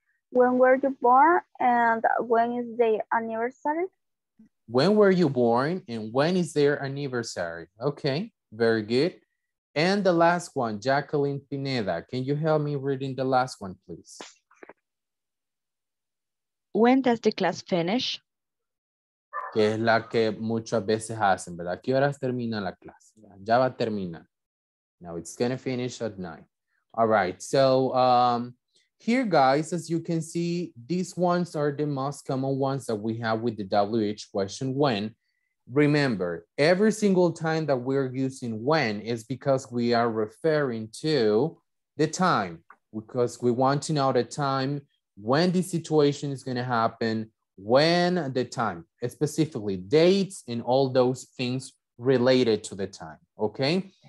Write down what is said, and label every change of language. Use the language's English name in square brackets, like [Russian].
[English] When were you born and when is their anniversary? When were you born and when is their anniversary? Okay, very good. And the last one, Jacqueline Pineda, can you help me reading the last one, please? When does the class finish? [Spanish] Que es la que muchas veces hacen, ¿verdad? ¿Qué horas termina la clase? Ya va a terminar. [English] Now it's gonna finish at 9. All right, so here guys, as you can see, these ones are the most common ones that we have with the WH question when. Remember, every single time that we're using when is because we are referring to the time, because we want to know the time, when the situation is gonna happen, when the time, specifically dates and all those things related to the time, okay?